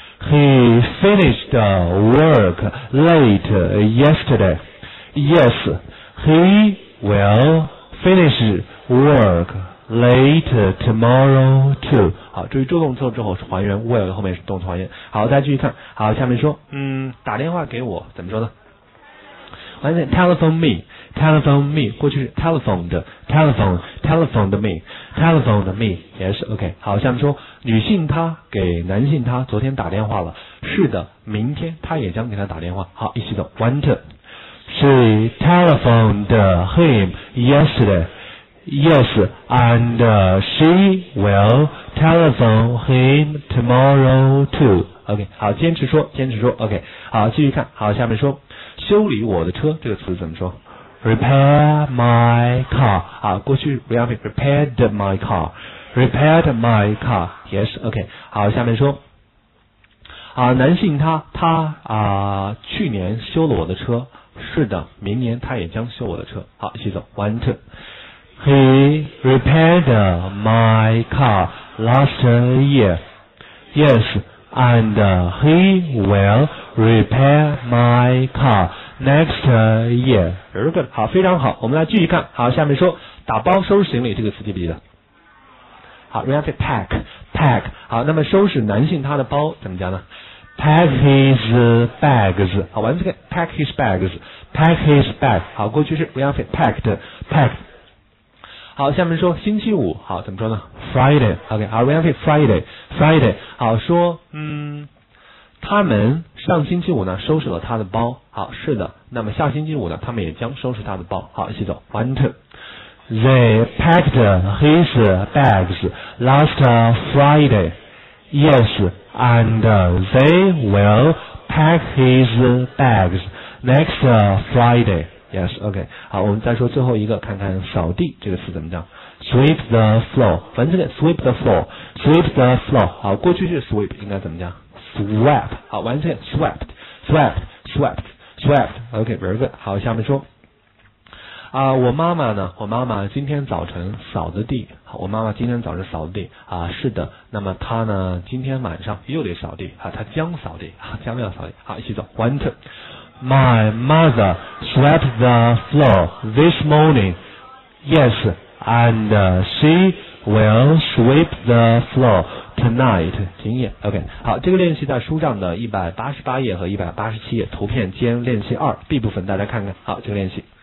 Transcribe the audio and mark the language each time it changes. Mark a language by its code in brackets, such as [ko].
[en] He finished work late yesterday. Yes, he will finish work late tomorrow too. [zh] 好，注意助动词之后是还原 will 后面是动词还原。好，大家继续看。好，下面说，打电话给我怎么说呢？完全 [en] telephone me, telephone me, [zh] 过去是 [en] telephoned, telephone, telephoned me, telephoned me, yes, OK. [zh] 好，下面说女性她给男性她昨天打电话了，是的，明天她也将给她打电话。好，一起走。 [en] One, two. She telephoned him yesterday. Yes, and she will telephone him tomorrow too. OK. [zh] 好，坚持说，坚持说。OK. 好，继续看。好，下面说。修理我的车这个词怎么说 [en] ？Repair my car [zh] 啊，过去 [en] repaired my car， repaired my car， yes， OK， [zh] 好，下面说啊，男性他啊，去年修了我的车，是的，明年他也将修我的车。好，一起走。 [en] One, two. He repaired my car last year. Yes. And he will repair my car next year. Very good. [zh] 好，非常好。我们来继续看。好，下面说打包收拾行李这个词记不记得？好 ， [en] we have to pack, pack. [zh] 好，那么收拾男性他的包怎么讲呢 [en] ？Pack his bags. [zh] 好，完这个 [en] pack his bags, pack his bags. [zh] 好，过去式 [en] we have to packed, packed. [zh] 好，下面说星期五，好，怎么说呢 [en] ？Friday， OK， [zh] 好 ， [en] we have Friday， Friday， [zh] 好，说，他们上星期五呢收拾了他的包，好，是的，那么下星期五呢，他们也将收拾他的包，好，一起走 ， [en] one two， they packed his bags last Friday， yes， and they will pack his bags next Friday。 Yes, OK. [zh] 好，我们再说最后一个，看看扫地这个词怎么讲 [en] ？Sweep the floor. [zh] 反正这个 [en] sweep the floor, sweep the floor. [zh] 好，过去式 sweep 应该怎么讲 ？Sweep. [en] 好，完全 swept, swept, swept, swept. OK, very good. [zh] 好，下面说啊，我妈妈呢？我妈妈今天早晨扫的地。好，我妈妈今天早晨扫的地啊，是的。那么她呢？今天晚上又得扫地啊，她将扫地啊，将要扫地。好，一起走。 [en] One, two. My mother swept the floor this morning. Yes, and she will sweep the floor tonight. [zh] 今夜 ， [en] OK。 [zh] 好，这个练习在书上的188页和187页，图片兼练习二 B 部分，大家看看。好，这个练习。